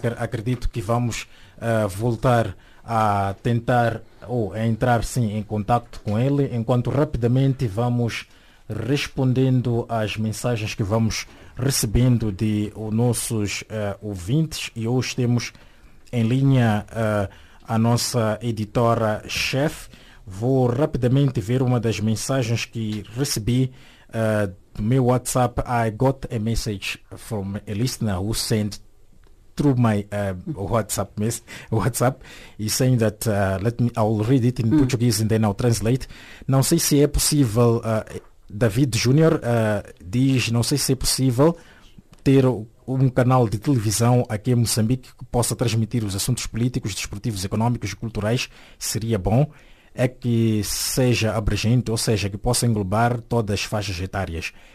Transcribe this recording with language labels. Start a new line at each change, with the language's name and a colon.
Portuguese: Acredito que vamos voltar a tentar ou a entrar sim em contato com ele, enquanto rapidamente vamos respondendo às mensagens que vamos recebendo de nossos ouvintes. E hoje temos em linha a nossa editora-chefe. Vou rapidamente ver uma das mensagens que recebi do meu WhatsApp.
English: I got a message from a listener who sent through my WhatsApp, he's saying that I'll read it in Portuguese and then I'll translate.
Portuguese: Não sei se é possível, David Júnior diz, não sei se é possível ter um canal de televisão aqui em Moçambique que possa transmitir os assuntos políticos, desportivos, económicos e culturais. Seria bom, é que seja abrangente, ou seja, que possa englobar todas as faixas etárias.